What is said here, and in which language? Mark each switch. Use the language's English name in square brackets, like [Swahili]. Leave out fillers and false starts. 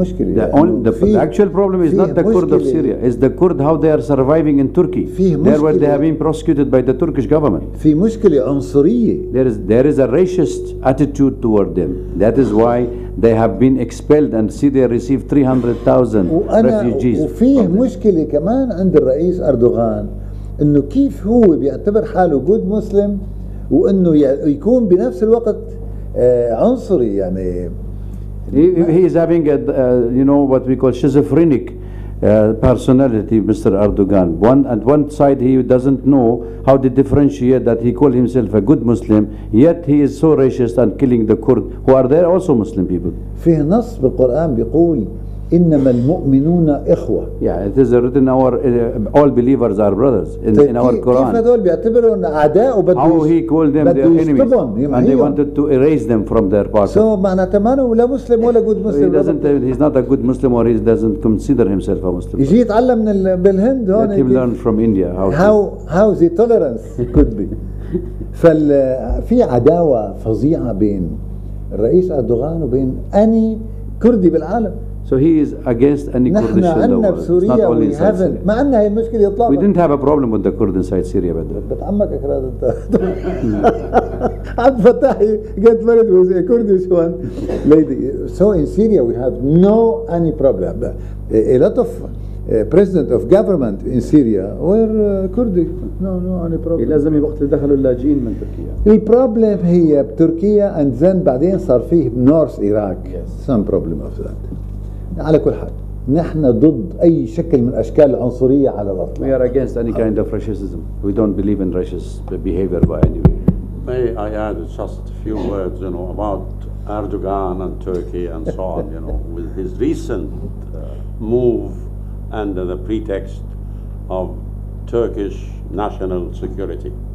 [English] The actual problem is not the Kurd of Syria. It's the Kurd how they are surviving in Turkey. There where they have been prosecuted by the Turkish government. There is a racist attitude toward them. That is why they have been expelled and Syria received 300,000 refugees. [Arabic] وفيه مشكلة كمان عند الرئيس أردوغان إنه كيف هو بيعتبر حاله [English] good Muslim [Arabic] وإنه يكون بنفس الوقت عنصري يعني. [English] He is having a, you know, what we call schizophrenic personality, Mr. Erdogan. At one side, he doesn't know how to differentiate that he called himself a good Muslim, yet he is so racist and killing the Kurds, who are there also Muslim people. [Arabic] فيه نص بالقرآن بيقول إنما المؤمنون إخوة. [English] Yeah, it is written our all believers are brothers in our Quran. [Arabic] كيف هذول بيعتبروا إن أعداء وبدوا [English] how he called them their enemies and they wanted to erase them from their party. So [Arabic] معناته ما هو لا مسلم ولا [English] good Muslim. He's not a good Muslim or he doesn't consider himself a Muslim. [Arabic] يجي يتعلم من بالهند هون. [English] Let him learn from India how the tolerance could be. [Arabic] ففي عداوة فظيعة بين الرئيس أردوغان وبين أي كردي بالعالم. [English] So he is against any Kurdish in the world. It's not only inside Syria. We didn't have a problem with the Kurds inside Syria, by the way. Get married with a Kurdish one, lady. So in Syria we have no any problem. A lot of president of government in Syria were Kurdish. No any problem. [Arabic] لازم يبقى تدخلوا اللاجئين من تركيا. [English] The problem here, Turkey, and then [Arabic] بعدين صار فيه [English] North Iraq. Some problem of that. [Arabic] على كل حال نحن ضد أي شكل من أشكال العنصرية على الأطلاق. [English] We are against any kind of racism. We don't believe in racist behavior by any way. May I add just a few words, you know, about Erdogan and Turkey and so on, you know, with his recent move under the pretext of Turkish national security.